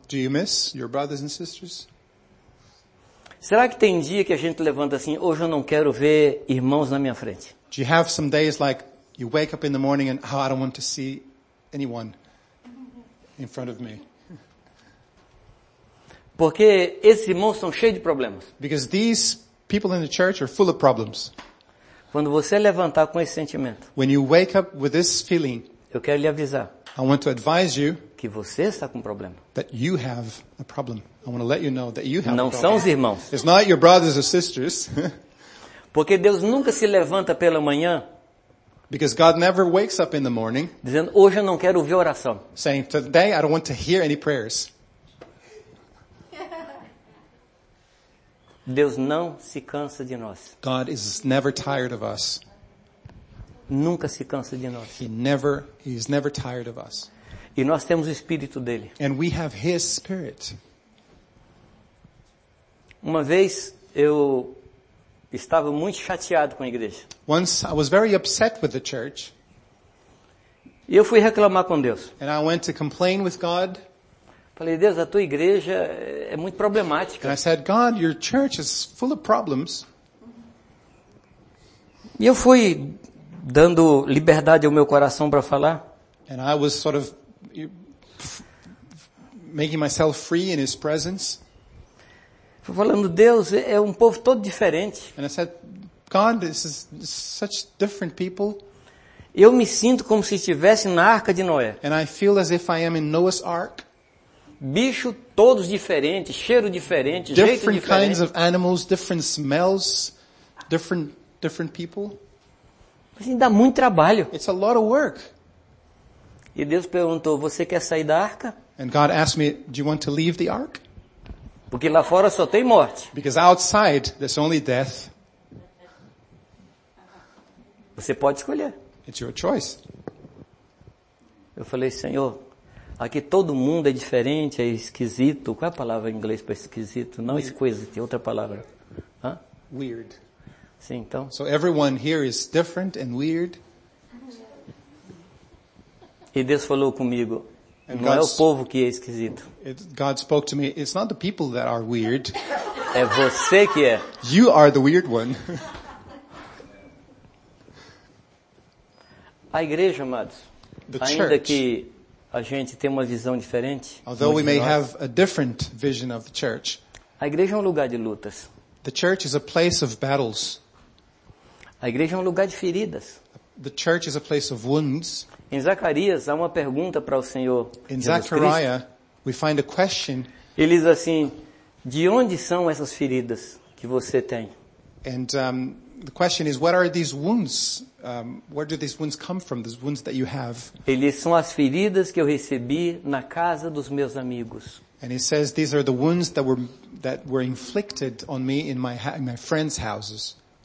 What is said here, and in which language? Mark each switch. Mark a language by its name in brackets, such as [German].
[English] Do you miss your brothers and sisters? [Portuguese] Será que tem dia que a gente levanta assim, hoje eu não quero ver irmãos na minha frente? [English] Do you have some days like you wake up in the morning and oh, I don't want to see anyone in front of me? [Portuguese] Porque esses irmãos são cheios de problemas. [English] Because these people in the church are full of problems. [Portuguese] Quando você levantar com esse sentimento, [English] when you wake up with this feeling, [Portuguese] eu quero lhe avisar, [English] I want to advise you, [Portuguese] que você está com um problema. [English] That you have a problem. I want to let you know that you have [Portuguese] não [English] a problem. [Portuguese] São os irmãos. [English] It's not your brothers or sisters. [Portuguese] Porque Deus nunca se levanta pela manhã. [English] Because God never wakes up in the morning. [Portuguese] Dizendo, hoje eu não quero ouvir oração. [English] Saying, today I don't want to hear any prayers. [Portuguese] Deus não se cansa de nós. [English] God is never tired of us. [Portuguese] Nunca se cansa de nós. [English] He is never tired of us. [Portuguese] E nós temos o Espírito dele. [English] And we have his spirit. [Portuguese] Uma vez eu estava muito chateado com a igreja. [English] Once I was very upset with the church. [Portuguese] E eu fui reclamar com Deus. [English] And I went to complain with God. [Portuguese] Falei, Deus, a tua igreja é muito problemática. [English] And I said, God, your church is full of problems. [Portuguese] E eu fui dando liberdade ao meu coração para falar. [English] And I was sort of making myself free in his presence. [Portuguese] Fui falando, Deus, é um povo todo diferente. [English] And I said, God, this is such different people. [Portuguese] Eu me sinto como se estivesse na Arca de Noé. [English] And I feel as if I am in Noah's Ark. [Portuguese] Bicho todos diferentes, cheiro diferente, [English] different [Portuguese] jeito diferente. [English] Different kinds of animals, different smells, different people. [Portuguese] Mas ainda dá muito trabalho. [English] It's a lot of work. [Portuguese] E Deus perguntou, você quer sair da arca? [English] And God asked me, do you want to leave the ark? [Portuguese] Porque lá fora só tem morte. [English] Because outside there's only death. [Portuguese] Você pode escolher. [English] It's your choice. [Portuguese] Eu falei, Senhor, aqui todo mundo é diferente, é esquisito. Qual é a palavra em inglês para esquisito? Não exquisite, outra palavra. Hã? [English] Weird. [Portuguese] Sim, então. [English] So everyone here is different and weird. [Portuguese] E Deus falou comigo, and não God's, é o povo que é esquisito. [English] God spoke to me, it's not the people that are weird. [Portuguese] É você que é. [English] You are the weird one. [Portuguese] A igreja, amados, [English] the [Portuguese] ainda [English] church, [Portuguese] que a gente tem uma visão diferente. [English] Although we may have a different vision of the church. [Portuguese] A igreja é um lugar de lutas. [English] The church is a place of battles. [Portuguese] A igreja é um lugar de feridas. [English] The church is a place of wounds. [Portuguese] Em Zacarias há uma pergunta para o Senhor Jesus Cristo. [English] In Zechariah we find a question. [Portuguese] Ele diz assim, de onde são essas feridas que você tem? [English] And the question is, what are these wounds? Where do these wounds come from? These wounds that you have? [Portuguese] Eles são as feridas que eu recebi na casa dos meus amigos. [English] And he says, these are the wounds that were inflicted on me in my friends' houses.